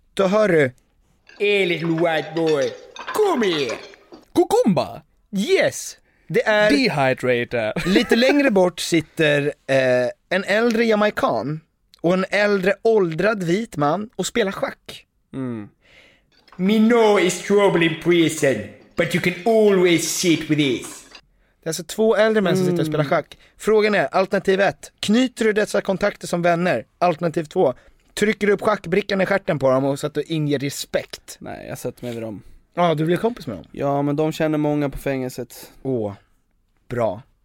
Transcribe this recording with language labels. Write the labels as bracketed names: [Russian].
[Swedish] Då hör du. [English] Hey, little white boy. [Swedish] Kom igen. Kukumba. Yes. Det är... Dehydrator. Lite längre bort sitter en äldre jamaikan. Och en äldre åldrad vit man och spelar schack. Mm. [English] Me know is trouble in prison, but you can always sit with this. [Swedish] Det är alltså 2 äldre män som sitter och spelar schack. Frågan är, alternativ 1, knyter du dessa kontakter som vänner? Alternativ 2, trycker du upp schackbrickan i stjärten på dem och så att du inger respekt? Nej, jag sätter mig vid dem. Ja, du blir kompis med dem? Ja, men de känner många på fängelset. Åh, bra.